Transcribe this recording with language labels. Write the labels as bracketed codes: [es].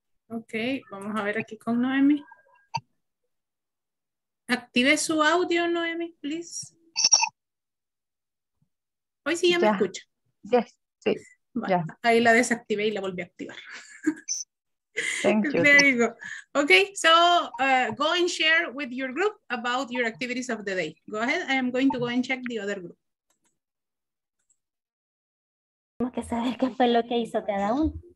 [es] Ok, vamos a ver aquí con Noemi. Active su audio, Noemi, please. Hoy sí ya me escucha. [en] Yes. [es] Bueno, ahí la desactivé y la volví a activar. [en] Thank you. There you go. Okay, so go and share with your group about your activities of the day. Go ahead. I am going to go and check the other group. [es] Tenemos que saber qué fue lo que hizo cada uno.